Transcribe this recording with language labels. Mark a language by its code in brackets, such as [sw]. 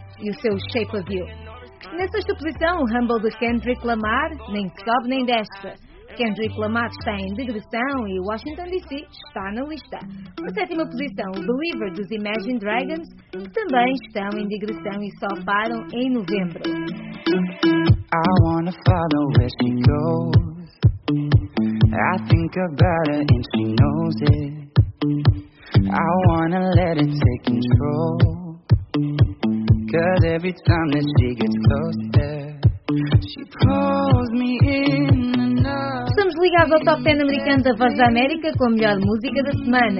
[pt] e o seu Shape of You. Na sexta posição, o Humble de Kendrick Lamar, nem que sobe nem desce. Kendrick Lamar está em digressão e Washington DC está na lista. Na sétima posição, Believer dos Imagine Dragons, que também estão em digressão e só param em novembro. [en] I wanna follow where she goes. I think about her and she knows it. I wanna let it take control. Cause every time that she gets closer, she pulls me in. [pt] Estamos ligados ao Top 10 americano da Voz da América com a melhor música da semana.